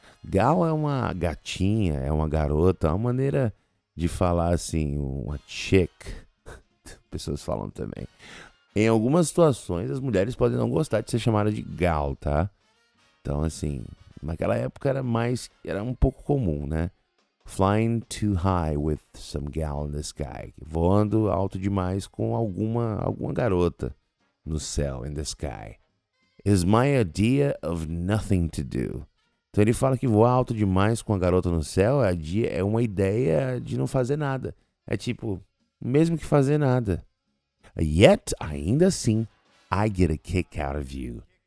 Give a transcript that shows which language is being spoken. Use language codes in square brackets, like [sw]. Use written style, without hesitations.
[pt] Gal é uma gatinha, é uma garota, é uma maneira de falar assim, uma chick, pessoas falam também. Em algumas situações, as mulheres podem não gostar de ser chamada de gal, tá? Então, assim, naquela época era mais, era um pouco comum, né? [en] Flying too high with some gal in the sky. [pt] Voando alto demais com alguma garota no céu, [en] in the sky. Is my idea of nothing to do. [pt] Então ele fala que voar alto demais com a garota no céu é uma ideia de não fazer nada. É tipo, mesmo que fazer nada. [en] Yet, [pt] ainda assim, [en] I get a kick out of you.